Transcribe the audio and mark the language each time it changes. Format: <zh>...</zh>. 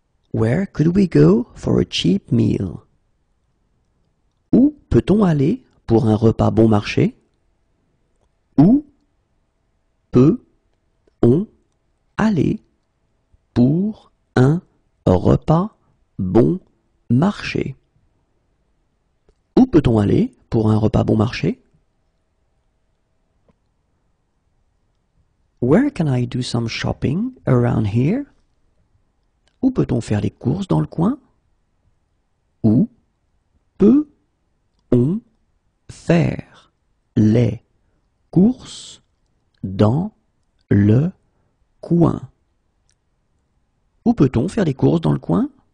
<en>Where could we go for a cheap meal?</en> <fr>Où peut-on aller pour un repas bon marché? Où peut-on aller pour un repas bon marché? Où peut-on aller pour un repas bon marché?</fr> <en>Where can I do some shopping around here?</en> <fr>Où peut-on faire les courses dans le coin? Où peut-on faire les courses dans le coin? Où peut-on faire les courses dans le coin?</fr>